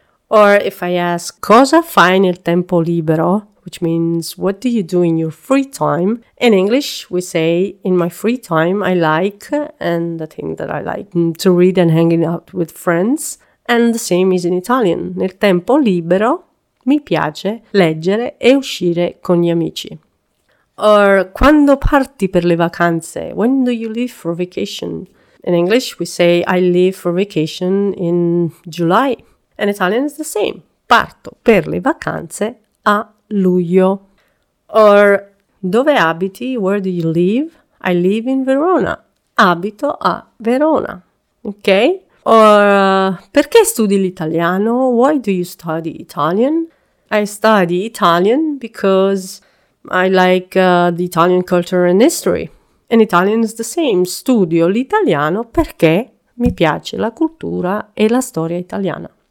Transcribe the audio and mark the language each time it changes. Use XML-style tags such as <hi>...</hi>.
<en>Or if I ask</en> <it>cosa fai nel tempo libero,</it> <en>which means what do you do in your free time, in English we say in my free time I like and the thing that I like to read and hanging out with friends. And the same is in Italian.</en> <it>Nel tempo libero, mi piace leggere e uscire con gli amici.</it> <en>Or</en> <it>quando parti per le vacanze,</it> <en>when do you leave for vacation? In English, we say I leave for vacation in July. In Italian, it's the same.</en> <it>Parto per le vacanze a luglio.</it> <en>Or</en> <it>dove abiti?</it> <en>Where do you live? I live in Verona.</en> <it>Abito a Verona. Ok? Or perché studi l'italiano?</it> <en>Why do you study Italian? I study Italian because I like the Italian culture and history. In Italian is the same.</en> <it>Studio l'italiano perché mi piace la cultura e la storia italiana.</it>